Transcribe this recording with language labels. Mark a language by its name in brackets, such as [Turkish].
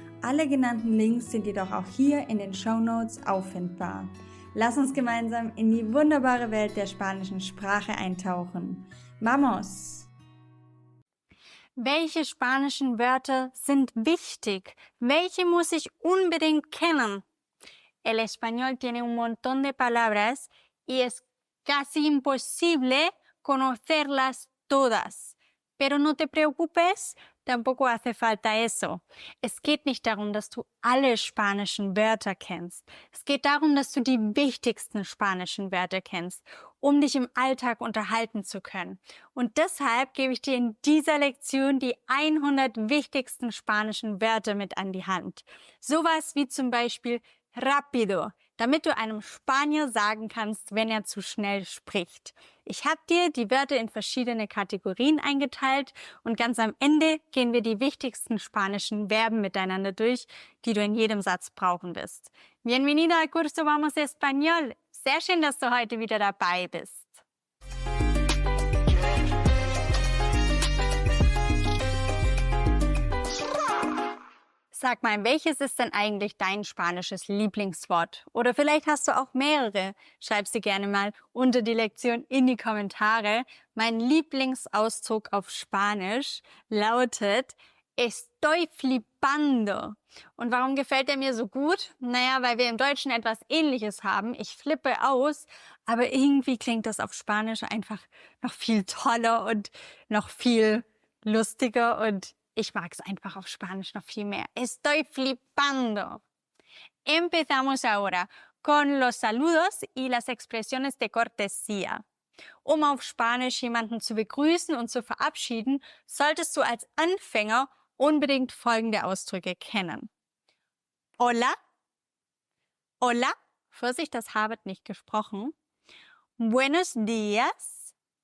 [German] Alle genannten Links sind jedoch auch hier in den Shownotes auffindbar. Lass uns gemeinsam in die wunderbare Welt der spanischen Sprache eintauchen. [Spanish] ¡Vamos! [German] Welche spanischen Wörter sind wichtig? Welche muss ich unbedingt kennen? [Spanish] El español tiene un montón de palabras y es casi imposible conocerlas todas. Pero no te preocupes, tampoco hace falta eso. [German] Es geht nicht darum, dass du alle spanischen Wörter kennst. Es geht darum, dass du die wichtigsten spanischen Wörter kennst, um dich im Alltag unterhalten zu können. Und deshalb gebe ich dir in dieser Lektion die 100 wichtigsten spanischen Wörter mit an die Hand. Sowas wie zum Beispiel rápido, damit du einem Spanier sagen kannst, wenn er zu schnell spricht. Ich habe dir die Wörter in verschiedene Kategorien eingeteilt und ganz am Ende gehen wir die wichtigsten spanischen Verben miteinander durch, die du in jedem Satz brauchen wirst. [Spanish] Bienvenido al curso Vamos Español. [German] Sehr schön, dass du heute wieder dabei bist. Sag mal, welches ist denn eigentlich dein spanisches Lieblingswort? Oder vielleicht hast du auch mehrere. Schreib sie gerne mal unter die Lektion in die Kommentare. Mein Lieblingsausdruck auf Spanisch lautet [Spanish] Estoy flipando. [German] Und warum gefällt er mir so gut? Naja, weil wir im Deutschen etwas Ähnliches haben. Ich flippe aus, aber irgendwie klingt das auf Spanisch einfach noch viel toller und noch viel lustiger und ich mag es einfach auf Spanisch noch viel mehr. [Spanish] Estoy flipando. Empezamos ahora con los saludos y las expresiones de cortesía. [German] Um auf Spanisch jemanden zu begrüßen und zu verabschieden, solltest du als Anfänger unbedingt folgende Ausdrücke kennen. [Spanish] Hola. Hola. [German] Vorsicht, das habe ich nicht gesprochen. [Spanish] Buenos días.